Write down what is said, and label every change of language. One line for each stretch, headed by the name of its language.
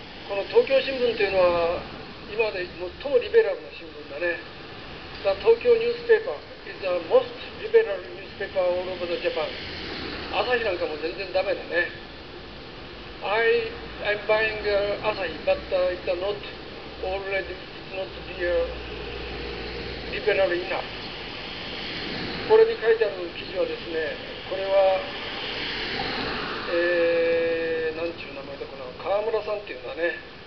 Japanese: この東京新聞というのは今まで最もリベラルな新聞だね。
English: The Tokyo newspaper is the most liberal newspaper all over the Japan.
Japanese: 朝日なんかも全然ダメだね。
English: I'm buying Asahi, but it's not already, it's not be liberal enough.
Japanese: これに書いてある記事はですね、これは、なんちゅう名前だかな、川村さんっていうんだね。